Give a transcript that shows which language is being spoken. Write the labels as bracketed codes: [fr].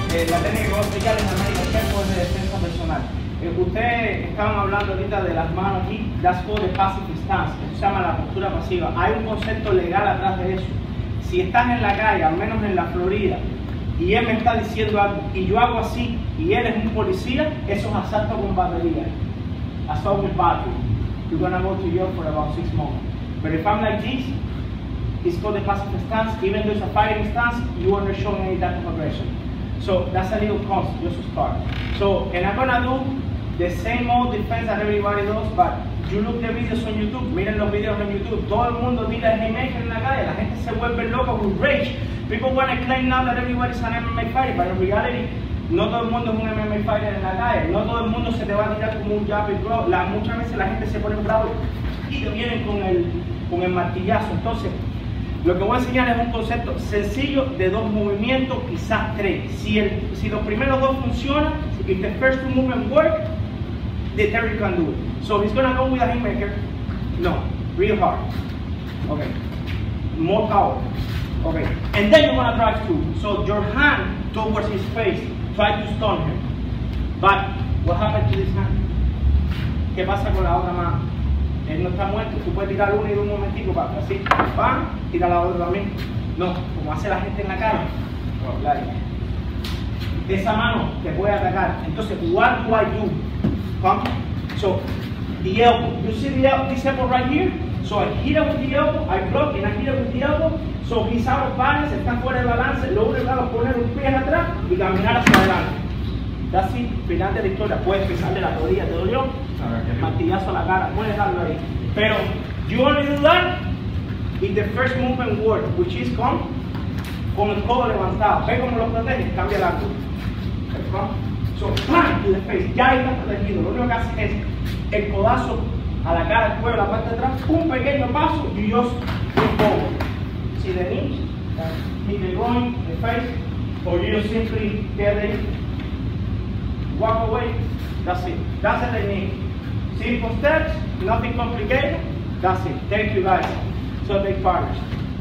[es] la técnica que voy a explicar en América del Campo es de defensa personal. Ustedes estaban hablando ahorita de las manos aquí, las de passive stance, que se llama la postura pasiva. Hay un concepto legal atrás de eso. Si estás en la calle, al menos en la Florida, y él me está diciendo algo, y yo hago así, y él es un policía, eso es asalto con batería. Asalto con battery. [en] You're gonna go to jail for about 6 months. But if I'm like this, it's called the passive stance. Even though it's a fighting stance, you are not showing any type of aggression. So that's a little cost, just to start. So, and I'm gonna do the same old defense that everybody does, but you look the videos on YouTube, miren los videos en YouTube, todo el mundo mira el haymaker en la calle, la gente se vuelve loca with rage. [es] People wanna claim now that everybody's an MMA fighter, but in reality, no todo el mundo es un MMA fighter en la calle, no todo el mundo se te va a tirar como un jab and throw. Muchas veces la gente se pone bravo y te vienen con el martillazo. Entonces, lo que voy a enseñar es un concepto sencillo de dos movimientos, quizás tres. [en] Si los primeros dos funcionan, if the first two movements work, the Terry can do it. So he's gonna go with a haymaker. No, real hard. Okay. More power. Okay. And then you're gonna drive through. So your hand towards his face, try to stun him. But what happened to this hand? ¿Qué pasa con la otra mano? [es] Él no está muerto, tú puedes tirar uno y un momentico para así, pam, tira la otra también. No, como hace la gente en la cara. Esa mano te puede atacar. Entonces, what do I do? Pump. [en] So, the elbow. You see this elbow right here? So I hit it with the elbow, I block and I hit it with the elbow. So he's out of balance, está fuera de balance. [es] Lo único que poner un pie atrás y caminar hacia adelante. That's it, final de la historia. Puedes pisarle la rodilla, te dolió. Martillazo a la cara, puedes darlo ahí. [en] Pero, you only do that if the first movement works, which is come, con el codo levantado. [es] Ve cómo lo protege, cambia el ángulo. So, bam, to the face. Ya está protegido. Lo único que hace es el codazo a la cara, el cuello, la parte de atrás. Un pequeño paso y yo just move. [en] See the knee, hit the groin, the face, or you just simply get in. Walk away, that's it. That's the technique. Simple steps, nothing complicated, that's it. Thank you guys. So big partners.